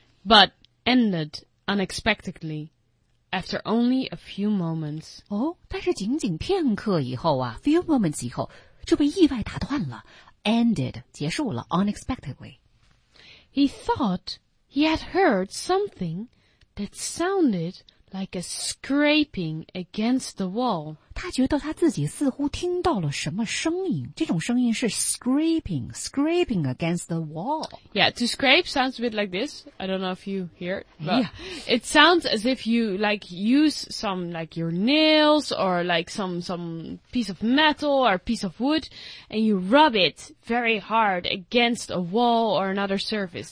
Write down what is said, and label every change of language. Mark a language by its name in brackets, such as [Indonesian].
[English] But ended unexpectedly, after only a few moments. [Chinese] 哦，但是仅仅片刻以后啊 , [English] few moments [Chinese] 以后就被意外打断了。 [English] Ended, [Chinese] 结束了 [English] ,unexpectedly. He thought he had heard something...That sounded like a scraping against the wall. [Chinese] 他觉得他自己似乎听到了什么声音。这种声音是 [English] scraping against the wall. Yeah, to scrape sounds a bit like this. I don't know if you hear it, but yeah. It sounds as if you like use some like your nails or like some piece of metal or piece of wood and you rub it very hard against a wall or another surface.